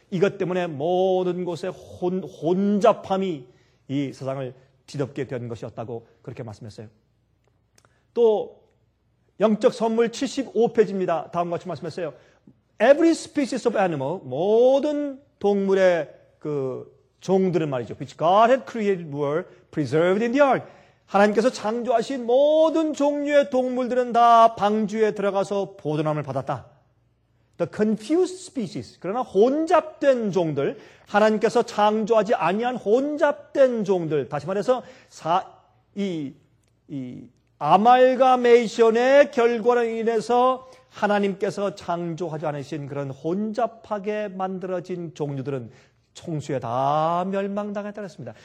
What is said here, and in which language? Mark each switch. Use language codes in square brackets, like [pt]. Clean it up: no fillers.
[ko] 이것 때문에 모든 곳에 혼잡함이 이 세상을 뒤덮게 된 것이었다고 그렇게 말씀했어요. 또 영적 선물 75페이지입니다. 다음과 같이 말씀했어요. [en] Every species of animal, [ko] 모든 동물의 그 종들은 말이죠. [en] Which God had created were preserved in the ark. [ko] 하나님께서 창조하신 모든 종류의 동물들은 다 방주에 들어가서 보존함을 받았다. [en] The confused species. [ko] 그러나 혼잡된 종들, 하나님께서 창조하지 아니한 혼잡된 종들. 다시 말해서 이 아말가메이션의 결과로 인해서 하나님께서 창조하지 않으신 그런 혼잡하게 만들어진 종류들은 총수에 다 멸망당했다고 했습니다.